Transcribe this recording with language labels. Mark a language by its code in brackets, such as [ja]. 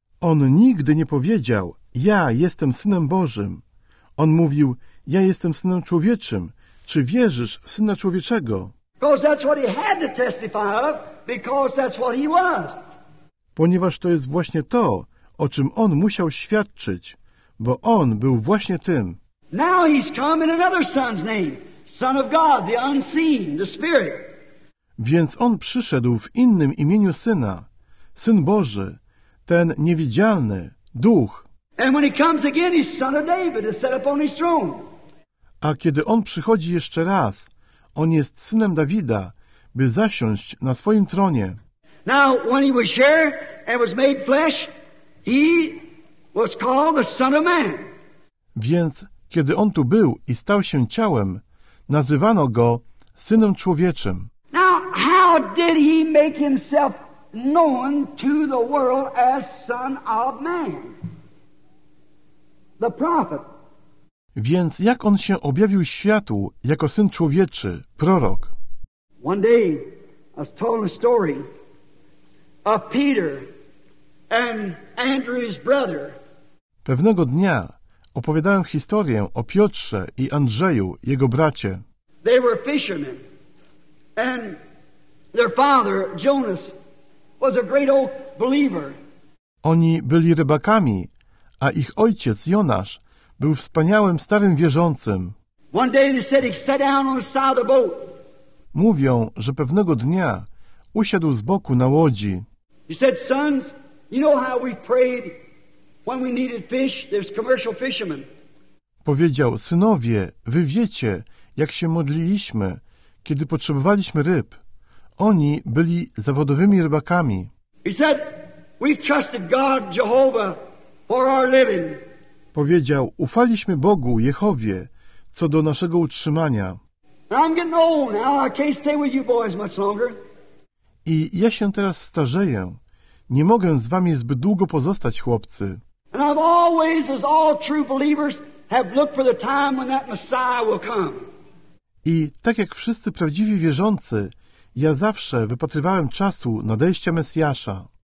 [pl] On nigdy nie powiedział: Ja jestem synem Bożym. On mówił: Ja jestem synem człowieczym. Czy wierzysz w syna człowieczego? [en] Because that's what he had to testify of, because that's what he was. [pl] Ponieważ to jest właśnie to, o czym on musiał świadczyć, bo on był właśnie tym. [en] Now he's come in another son's name, son of God, the unseen, the spirit. [pl] Więc on przyszedł w innym imieniu syna, syn Boży, ten niewidzialny, duch. [en] And when he comes again, he's son of David, is set upon his throne. [pl] A kiedy on przychodzi jeszcze raz, on jest synem Dawida, by zasiąść na swoim tronie. [en] Now, when he was here and was made flesh, he was called the Son of Man. [pl] Więc, kiedy on tu był i stał się ciałem, nazywano go synem człowieczym. [en] Now, how did he make himself known to the world as Son of Man? The prophet. [pl] Więc jak on się objawił światu jako syn człowieczy, prorok? [en] One day, I was told a story of Peter and Andrew's brother. [pl] Pewnego dnia opowiadałem historię o Piotrze i Andrzeju, jego bracie. [en] They were fishermen, and their father, Jonas, was a great old believer. [pl] Oni byli rybakami, a ich ojciec Jonasz był wspaniałym starym wierzącym. [en] One day they said he sat down on the side of the boat. [pl] Mówią, że pewnego dnia usiadł z boku na łodzi. [en] He said, "Sons, you know how we prayed when we needed fish? There's commercial fishermen." [pl] Powiedział: "Synowie, wy wiecie, jak się modliliśmy, kiedy potrzebowaliśmy ryb. Oni byli zawodowymi rybakami." [en] He said, "We've trusted God, Jehovah, for our living." [pl] Powiedział: "Ufaliśmy Bogu, Jehowie, co do naszego utrzymania." [en] I'm getting old now. I can't stay with you boys much longer. [pl] I ja się teraz starzeję. Nie mogę z wami zbyt długo pozostać, chłopcy. [en] And I've always, as all true believers, have looked for the time when that Messiah will come. [pl] I tak jak wszyscy prawdziwi wierzący, ja zawsze wypatrywałem czasu nadejścia Mesjasza.